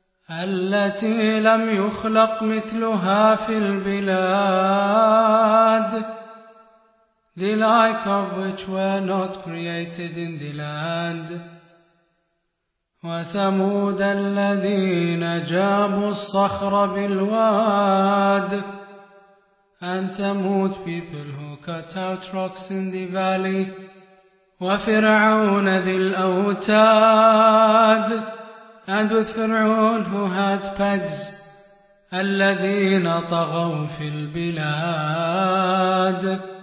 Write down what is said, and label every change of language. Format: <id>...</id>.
<ar>التي لم يخلق مثلها في البلاد.</ar> <en>The like of which were not created in the land.</en> <ar>وثمود الذين جابوا الصخر بالواد.</ar> <en>And Thamud people who cut out rocks in the valley.</en> <ar>وفرعون ذي الأوتاد.</ar> <en>And with Fir'aun who had pegs.</en> <ar>الذين طغوا في البلاد.</ar>